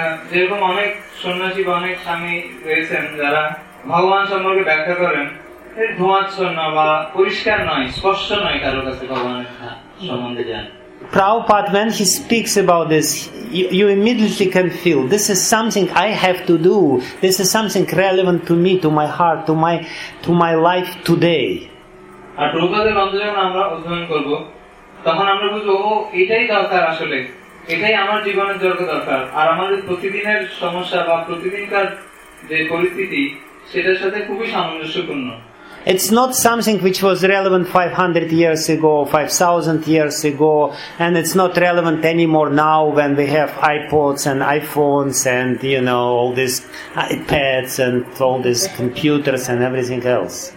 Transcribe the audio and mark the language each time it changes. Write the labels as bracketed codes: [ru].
[bn] যেরকম অনেক সন্ন্যাসী বা অনেক স্বামী রয়েছেন যারা ভগবান সম্পর্কে ব্যাখ্যা করেন, ধোঁয়াচ্ছন্ন বা পরিষ্কার নয়, স্পষ্ট নয় কারোর কাছে ভগবানের সম্বন্ধে জানেন। [en] Prabhupada, when he speaks about this, you immediately can feel this is something I have to do. This is something relevant to me, to my heart, to my life today. [bn] আর প্রভুপাদের মন্ত্র যখন আমরা অধ্যয়ন করব, তখন আমরা বুঝবো এটাই দরকার, আসলে এটাই আমার জীবনের দরকার। আর আমাদের প্রতিদিনের সমস্যা বা প্রতিদিনকার যে পরিস্থিতি সেটার সাথে খুবই সামঞ্জস্যপূর্ণ। [en] It's not something which was relevant 500 years ago, 5,000 years ago, and it's not relevant anymore now when we have iPods and iPhones and, you know, all these iPads and all these computers and everything else.